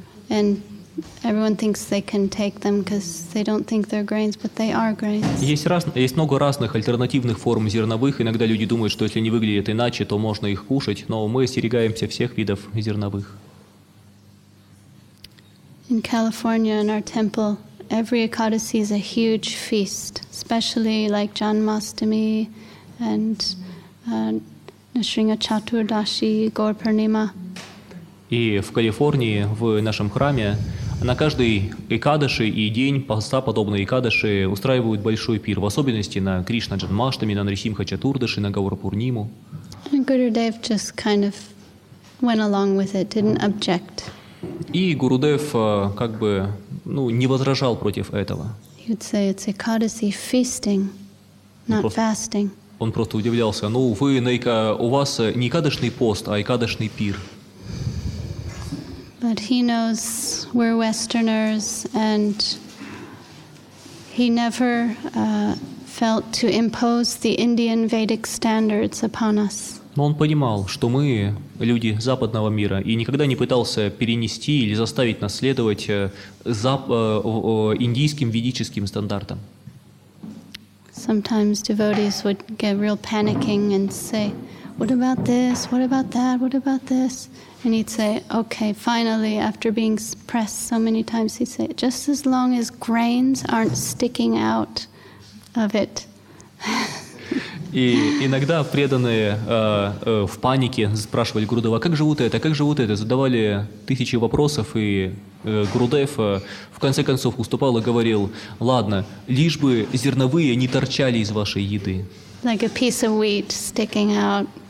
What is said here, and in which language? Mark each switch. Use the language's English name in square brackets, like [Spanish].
[English] And everyone thinks they can take them because they don't think they're grains, but they are grains. [Russian] Есть много разных альтернативных форм зерновых. Иногда люди думают, что если они выглядят иначе, то можно их кушать, но мы остерегаемся всех видов зерновых. [English] In California, in our temple, every Ekadasi is a huge feast, especially like Janmashtami and Nisringa Chaturdashi, Gaur Purnima. [Russian] И в Калифорнии, в нашем храме, на каждый Экадаши и день поста подобные Экадаши устраивают большой пир, в особенности на Кришна Джанмаштами, на Нарисимха Чатурдаши, на Гаура Пурниму. [English] And Gurudev just kind of went along with it, didn't object. [Russian] И Гурудев как бы не возражал против этого. [English] He'd say it's Ekadasi feasting, not fasting. [Russian] Он просто удивлялся. У вас не Экадашный пост, а Экадашный пир. [English] But he knows we're Westerners, and he never felt to impose the Indian Vedic standards upon us. [Russian] Но он понимал, что мы люди западного мира, и никогда не пытался перенести или заставить нас следовать индийским ведическим стандартам. [English] Sometimes devotees would get real panicking and say, "What about this? What about that? What about this?" And he'd say, "Okay, finally, after being pressed so many times, he'd say, just as long as grains aren't sticking out of it." [Russian] И иногда преданные в панике спрашивали Гурудева, как живут это, как живут это, задавали тысячи вопросов, и Гурудев в конце концов уступал и говорил, ладно, лишь бы зерновые не торчали из вашей еды. [English] Like a piece of wheat sticking out.